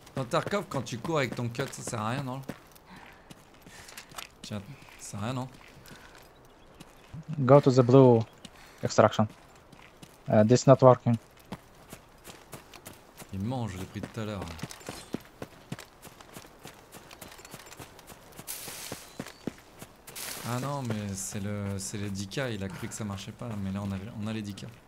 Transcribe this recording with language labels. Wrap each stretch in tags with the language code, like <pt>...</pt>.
<fr>Tarkov, quand tu cours avec ton cut, ça sert à rien, non? Tiens, ça sert à rien, non?</fr> <en>Go to the blue extraction. This not working.</en> <fr>Il mange, je l'ai pris tout à l'heure. Ah non, mais c'est le 10K, il a cru que ça marchait pas, mais là on a les 10K.</fr>